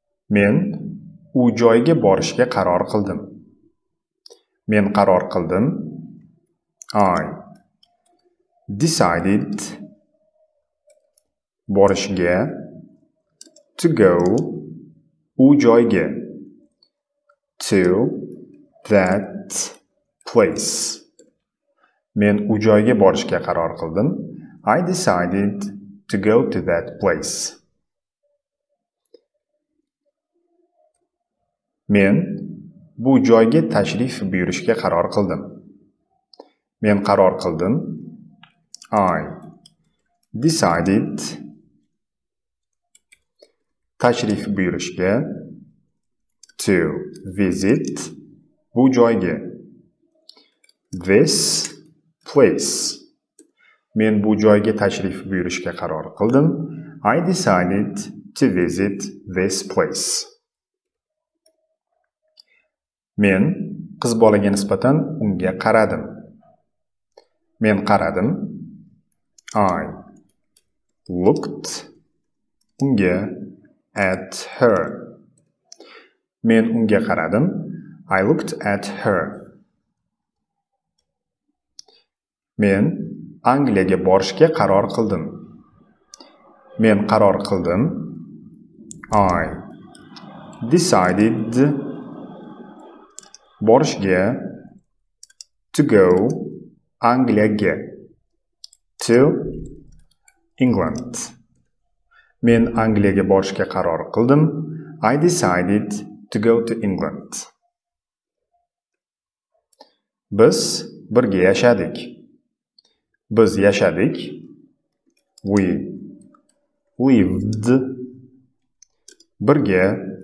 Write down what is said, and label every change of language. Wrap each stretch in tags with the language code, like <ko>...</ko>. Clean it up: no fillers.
<uz>Men u joyga borishga qaror qildim. Men qaror qildim.</uz> <en>I decided</en> <uz>borishga</uz> <en>to go</en> <uz>u joyga</uz> <en>to that place.</en> <uz>Men u joyga borishga qaror qildim.</uz> <en>I decided to go to that place.</en> <uz>Men bu joyga tashrif buyurishga qaror qildim. Men qaror qildim.</uz> <en>I decided</en> <uz>tashrif buyurishga</uz> <en>to visit</en> <uz>bu joyga</uz> <en>this place.</en> <uz>Men bu joyga tashrif buyurishga qaror qildim.</uz> <en>I decided to visit this place.</en> <uz>Men qiz bolaga nisbatan unga qaradim. Men qaradim.</uz> <en>I looked</en> <uz>unga</uz> <en>at her.</en> <uz>Men unga qaradim.</uz> <en>I looked at her.</en> <uz>Men Angliyaga borishga qaror qildim. Men qaror qildim.</uz> <en>I decided</en> <uz>borishga</uz> <en>to go Angliyaga to England.</en> <uz>Men Angliyaga borishga qaror qildim.</uz> <en>I decided to go to England.</en> <uz>Biz birga yashadik. Biz yashadik.</uz> <en>We lived.</en> <uz>Birga.</uz>